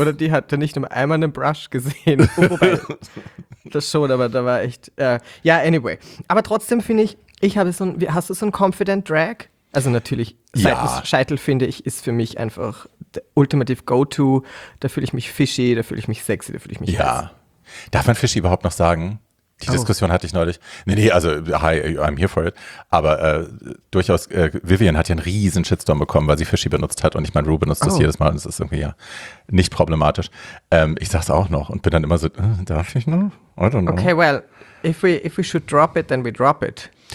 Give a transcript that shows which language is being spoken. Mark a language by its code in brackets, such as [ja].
[de] Oder die hatte nicht nur einmal einen Brush gesehen. Das schon, aber da war echt. Ja, anyway. Aber trotzdem finde ich, hast du so einen Confident Drag? Also natürlich, Scheitel finde ich, ist für mich einfach der ultimative Go-To. Da fühle ich mich fishy, da fühle ich mich sexy, da fühle ich mich ja. Heiß. Darf man fishy überhaupt noch sagen? Die Diskussion hatte ich neulich. Nee, also [en] hi, I'm here for it. [de] Aber durchaus, Vivian hat ja einen riesen Shitstorm bekommen, weil sie fishy benutzt hat. Und ich meine, Ru benutzt das jedes Mal und es ist irgendwie ja nicht problematisch. Ich sag's auch noch und bin dann immer so, darf ich noch? [en] I don't know. Okay, well, if we should drop it, then we drop it.